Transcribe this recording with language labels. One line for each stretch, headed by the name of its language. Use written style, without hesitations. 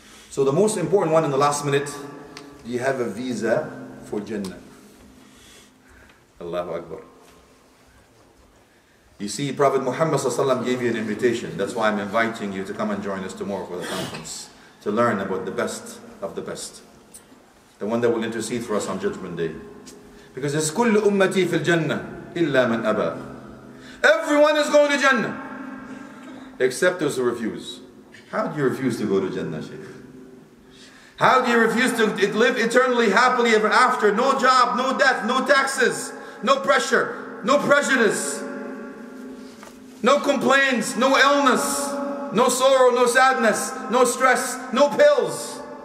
English: So the most important one in the last minute, do you have a visa for Jannah? Allahu Akbar. You see, Prophet Muhammad ﷺ gave you an invitation. That's why I'm inviting you to come and join us tomorrow for the conference, to learn about the best of the best, the one that will intercede for us on Judgment Day. Because it's
Arabic: كل أمتي في الجنة إلا من أبى.
English: Everyone is going to Jannah, except those who refuse. How do you refuse to go to Jannah, Sheikh? How do you refuse to live eternally, happily ever after? No job, no death, no taxes, no pressure, no prejudice, no complaints, no illness, no sorrow, no sadness, no stress, no pills.